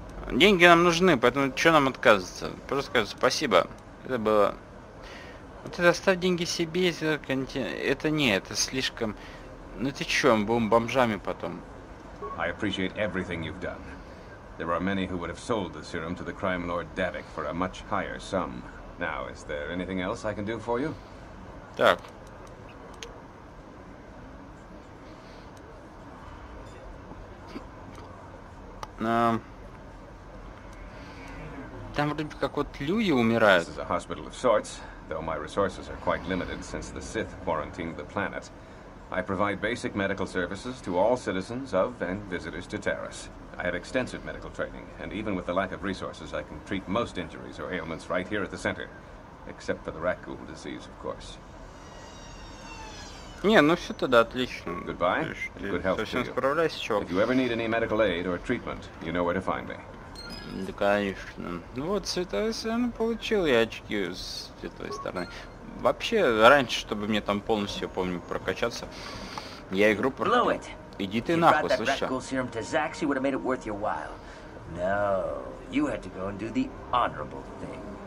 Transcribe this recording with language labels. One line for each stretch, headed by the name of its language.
Russian: Деньги нам нужны, поэтому что нам отказываться? Просто скажем спасибо. Это было... Вот это оставь деньги себе, это не, это слишком... Ну ты чё, мы будем бомжами потом.
English: I appreciate everything you've done. There are many who would have sold the serum to the crime lord Davik for a much higher sum. Now, is there anything else I can do for you?
Russian: Так. Там вроде как вот люди умирают.
English: This is a hospital of sorts, though my resources are quite limited since the Sith quarantined the planet. I provide basic medical services to all citizens of and visitors to Taris. I have extensive medical training, and even with the lack of resources, I can treat most injuries or ailments right here at the center. Except for the Rakghoul disease, of course.
Russian: Не, ну все тогда отлично.
English: Goodbye, and good health to you. If you ever need any medical aid or treatment, you know where to find me.
Russian: Да, конечно. Ну вот, святой сын, получил я очки с этой стороны. Вообще, раньше, чтобы мне там полностью, помню, прокачаться, я игру проходил. Иди ты нахуй, слышишь?
English: If you brought that Rakghoul serum to Zax, you would have made it worth your while. No, you had to go and do the honorable thing.